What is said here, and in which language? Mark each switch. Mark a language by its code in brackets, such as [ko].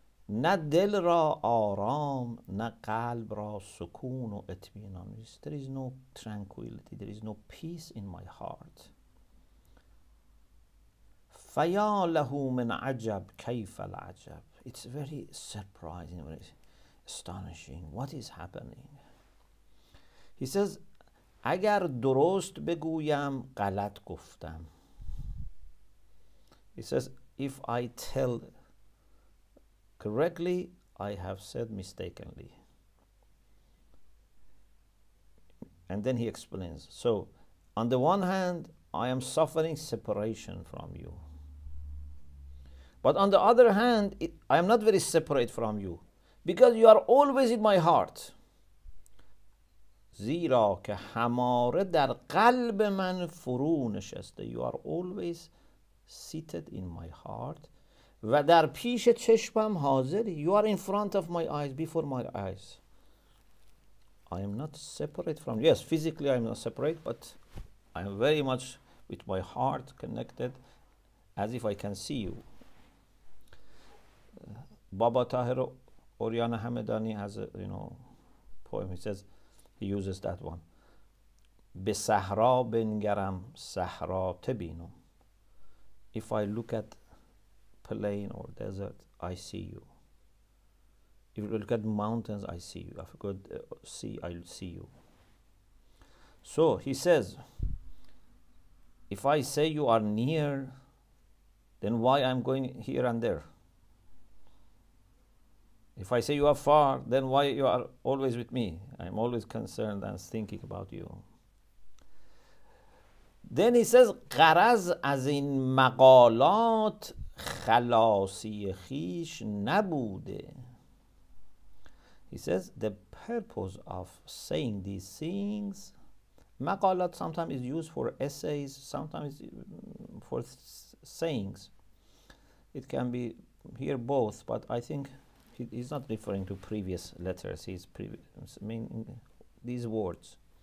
[fa] نه دل را آرام نه قلب را سکون و اطمینان. [en] There is no tranquility, there is no peace in my heart. [ar] فیا له من عجب کیف العجب. [en] It's very surprising, very astonishing. What is happening? He says, [fa] اگر درست بگویم غلط گفتم. [en] He says, if I tell correctly, I have said mistakenly. And then he explains. So, on the one hand, I am suffering separation from you. But on the other hand, I am not very separate from you. Because you are always in my heart. [fa] زیرا که هماره در قلب من فرو نشسته. [en] You are always seated in my heart. [fa] و در پیش چشمم حاضری. [en] You are in front of my eyes, before my eyes. I am not separate from you. Yes, physically I am not separate, but I am very much with my heart connected as if I can see you. Baba Tahir Oriana Hamedani has a poem. He says, he uses that one. [fa] به صحرا بنگرم صحرا تبینو. [en] If I look at plain or desert, I see you. If you look at mountains, I see you. If you go to sea, I see you. So he says, if I say you are near, then why I'm going here and there? If I say you are far, then why you are always with me? I'm always concerned and thinking about you. Then he says, [fa] غرض از این مقالات خلاصی خیش نبوده. [en] He says, the purpose of saying these things, مقالات sometimes is used for essays, sometimes for sayings. It can be here both, but I think he's not referring to previous letters, he's meaning these words.